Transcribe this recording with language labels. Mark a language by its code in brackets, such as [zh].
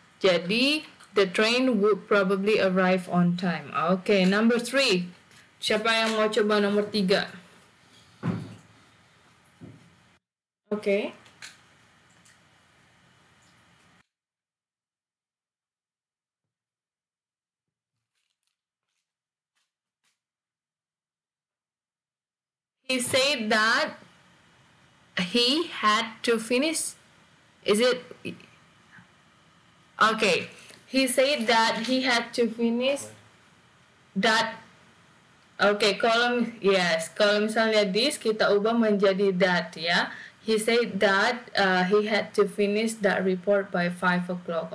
[id] Jadi [en] the train would probably arrive on time. Okay, number 3. [id] Siapa yang mau coba nomor 3? [en] Okay. He said that he had to finish. Is it okay? He said that he had to finish that. [id] Okay, [en] column, yes, [id] kalau misalnya this kita ubah menjadi that ya. [en] He said that he had to finish that report by 5 o'clock.